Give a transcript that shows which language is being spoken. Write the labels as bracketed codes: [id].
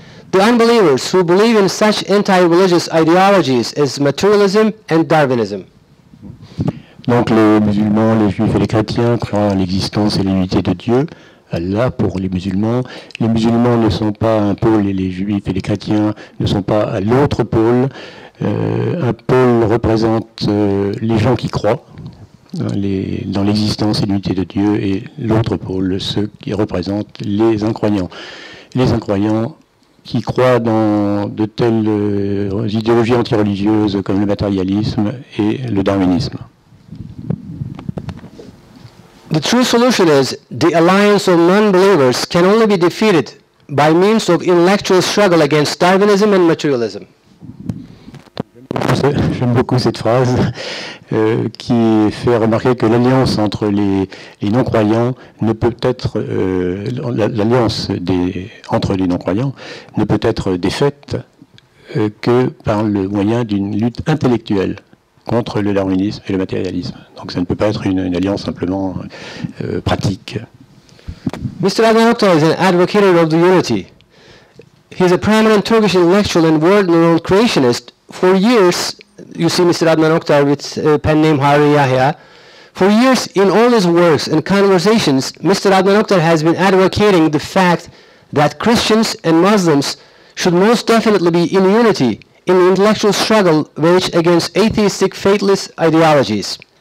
[en] The unbelievers who believe in such anti-religious ideologies as materialism and Darwinism. [fr] Donc les musulmans, les juifs et les chrétiens croient en l'existence et l'unité de Dieu, Allah pour les musulmans. Les musulmans ne sont pas un pôle et les juifs et les chrétiens ne sont pas à l'autre pôle. Un pôle représente les gens qui croient dans l'existence et l'unité de Dieu, et l'autre pôle, ceux qui représentent les incroyants. Les incroyants qui croient dans de telles idéologies antireligieuses comme le matérialisme et le darwinisme. [en] The true solution is the alliance of non-believers can only be defeated by means of intellectual struggle against Darwinism and materialism. [fr] J'aime beaucoup cette phrase qui fait remarquer que l'alliance entre les non-croyants ne peut être l'alliance entre les non-croyants ne peut être défaite que par le moyen d'une lutte intellectuelle contre le darwinisme et le matérialisme. Donc ça ne peut pas être une alliance simplement pratique. [en] Mr. Adnan Oktar is an advocate of the unity. He is a prominent Turkish intellectual and world-renowned creationist. For years, you see Mr. Adnan Oktar with pen name Hari Yahya. For years, in all his works and conversations, Mr. Adnan Oktar has been advocating the fact that Christians and Muslims should most definitely be in unity in the intellectual struggle waged against atheistic fatalist ideologies.